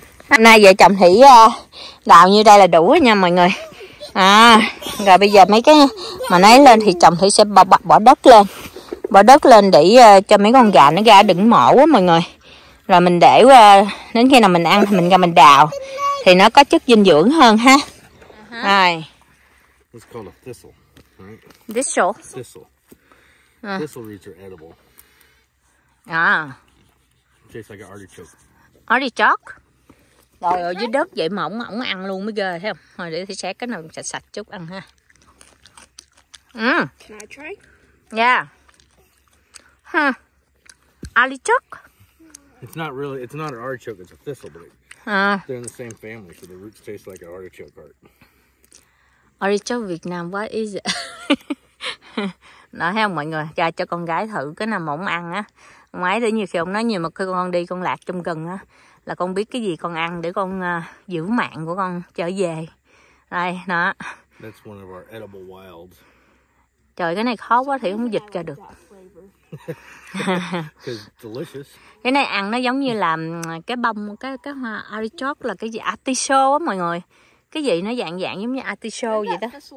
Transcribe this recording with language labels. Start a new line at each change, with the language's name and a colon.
Vietnamese: Hôm nay vợ chồng thì đào như đây là đủ rồi nha mọi người. À, rồi bây giờ mấy cái mà nấy lên thì chồng thì sẽ bỏ đất lên. Bỏ đất lên để cho mấy con gà nó ra đựng mổ á mọi người. Rồi mình để đến khi nào mình ăn thì mình ra mình đào. Thì nó có chất dinh dưỡng hơn ha. Uh-huh. Rồi.
English: It's called a thistle, right? Thistle. Thistle roots are edible. Ah. Tastes like an artichoke. Artichoke?
Vietnamese: Rồi ở dưới đất vậy mà ổng ăn luôn mới ghê thấy không? Thôi để thì xé cái nào sạch sạch chút ăn ha.
English: Can I try? Yeah. Huh. Artichoke? It's not an artichoke, it's a thistle, but they're in the same family, so the roots taste like an artichoke heart. Artichoke Việt Nam, what is it?
Vietnamese: Nói thấy không mọi người, ra cho con gái thử cái nào mà ổng ăn á. Ông ấy để nhiều khi ông nói nhiều mà con đi con lạc trong rừng á, là con biết cái gì con ăn để con giữ mạng của con trở về. Đây, nó.
English: That's one of our edible wilds.
Vietnamese: Trời, cái này khó quá, thì không dịch ra được.
English: Delicious.
Vietnamese: Cái này ăn nó giống như là cái bông, cái hoa artichoke là cái gì, artichoke á mọi người. Cái gì nó dạng giống như artichoke vậy đó.